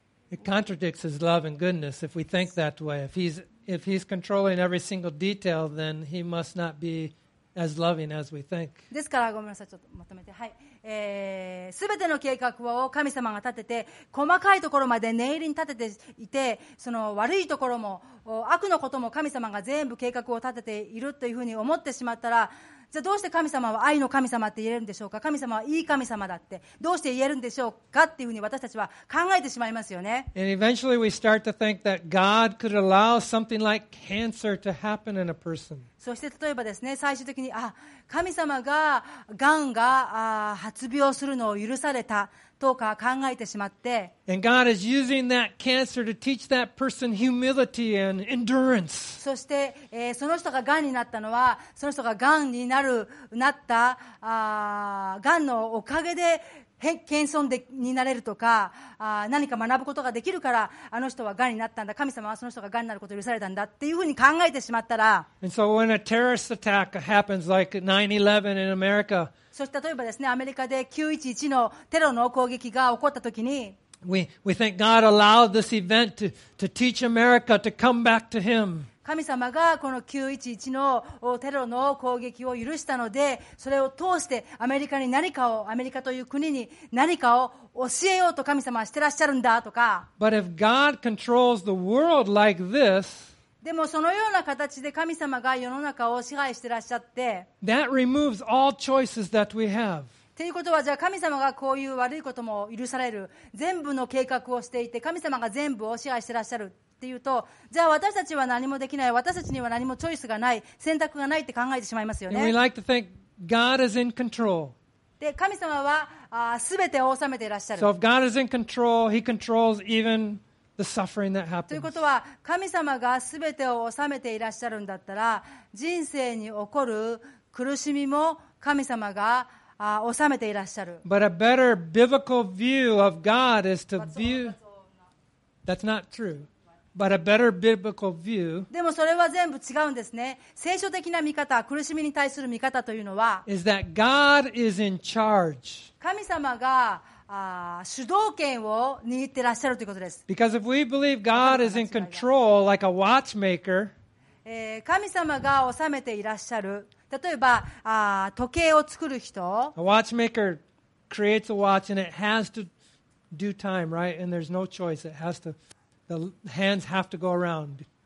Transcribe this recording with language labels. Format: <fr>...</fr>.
<en>It contradicts His love and goodness if we think that way. If he's controlling every single detail, then He must not be as loving as we think.</en> <ja>ですからごめんなさい、ちょっとまとめて、はい。全ての計画を神様が立てて細かいところまで念入りに立てていて、その悪いところも悪のことも神様が全部計画を立てているというふうに思ってしまったら、じゃあどうして神様は愛の神様って言えるんでしょうか。神様はいい神様だってどうして言えるんでしょうかっていうふうに私たちは考えてしまいますよね。</ja> <en>And eventually we start to think that God could allow something like cancer to happen in a person.</en> <ja>そして例えばですね、最終的に神様が癌が発病するのを許されたとか考えてしまって、</ja> <en>And God is using that cancer to teach that person humility and endurance.</en> <ja>そして、その人が癌になったのは、その人が癌になるなった癌のおかげで謙遜でになれるとか、何か学ぶことができるから、あの人は癌になったんだ、神様はその人が癌になることを許されたんだっていうふうに考えてしまったら、</ja> <en>And so when a terrorist attack happens like 9/11 in America、</en> <ja>そして例えばですね、アメリカで911のテロの攻撃が起こったときに、</ja> <en>We think God allowed this event to teach America to come back to Him.</en> <ja>神様がこの911のテロの攻撃を許したので、それを通してアメリカに何かを、アメリカという国に何かを教えようと神様はしてらっしゃるんだとか。</ja> <en>But if God controls the world like this,</en> <ja>でもそのような形で神様が世の中を支配していらっしゃって、</ja> <en>That removes all choices that we have.</en> <ja>ということはじゃあ神様がこういう悪いことも許される全部の計画をしていて神様が全部を支配してらっしゃるっていうとじゃあ私たちは何もできない私たちには何もチョイスがない選択がないって考えてしまいますよね。</ja> <en>And we like to think God is in control.</en> <ja>で神様はすべてを治めていらっしゃる。</ja> <en>So if God is in control, He controls even the suffering that happens.</en> <ja>ということは神様がすべてを治めていらっしゃるんだったら人生に起こる苦しみも神様が収めていらっしゃる。</ja> <en>But a better biblical view of God is to view. That's not true. But a better biblical view.</en> <ja>でもそれは全部違うんですね。聖書的な見方、苦しみに対する見方というのは、</ja> <en>is that God is in charge.</en> <ja>神様が主導権を握ってらっしゃるということです。</ja> <en>Because if we believe God is in control, like a watchmaker.</en> <ja>神様が収めていらっしゃる。例えば時計を作る人、</ja> <en>a watchmaker creates a watch and it has to do time, right? And there's no choice. It has to, the hands have to go around.</en>